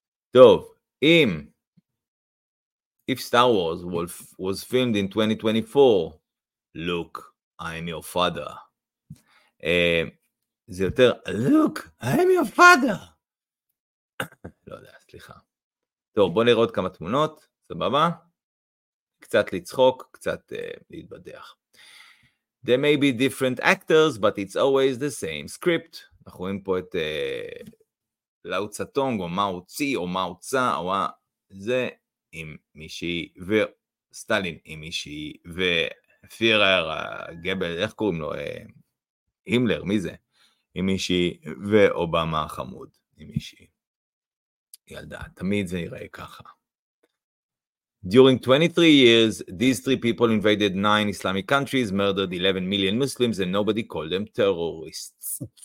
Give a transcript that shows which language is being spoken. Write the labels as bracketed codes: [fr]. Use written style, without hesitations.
[he] טוב, אם [en] if Star Wars was filmed in 2024, look, I'm your father. [he] זה יותר, [en] look, I'm your father. [he] לא יודע, סליחה. טוב, בוא נראה עוד כמה תמונות, סבבה? קצת לצחוק, קצת להתבדח. [en] There may be different actors, but it's always the same script. [he] אנחנו רואים פה את לאו צטונג, או מאו צי, או מאו צה, או זה עם מישהי, וסטלין עם מישהי, ופירר, גבל, איך קוראים לו? הימלר, מי זה? עם מישהי, ואובמה חמוד עם מישהי. ילדה, תמיד זה יראה ככה. [en] During 23 years, these three people invaded 9 Islamic countries, murdered 11 million Muslims, and nobody called them terrorists.